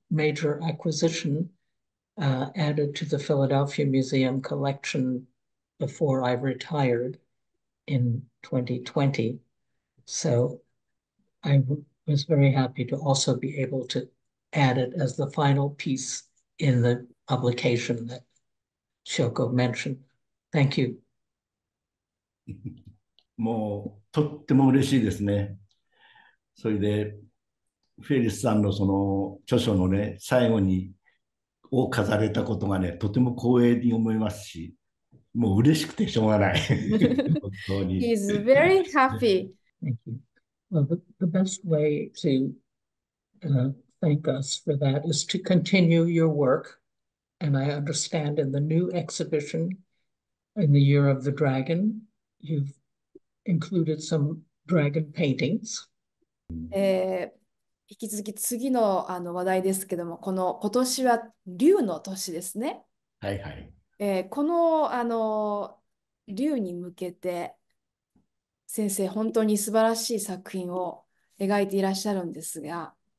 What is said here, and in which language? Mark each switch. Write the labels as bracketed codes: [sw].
[en] Major acquisition added to the Philadelphia Museum collection before I retired in 2020. So I was very happy to also be able to add it as the final piece in the publication that Shoko mentioned. Thank you. [ja] もうとっても嬉しいですね。それでフェリスさんのその著書のね最後にを飾れたことがねとても光栄に思いますし、もう嬉しくてしょうがない本当に。 [en] He's very happy. Thank you. Well, the best way to thank us for that is to continue your work. And I understand in the new exhibition in the Year of the Dragon, you've included some dragon paintings. [ja] 引き続き次の、 話題ですけども、この今年は竜の年ですね。はいはい。この、竜に向けて先生本当に素晴らしい作品を描いていらっしゃるんですが、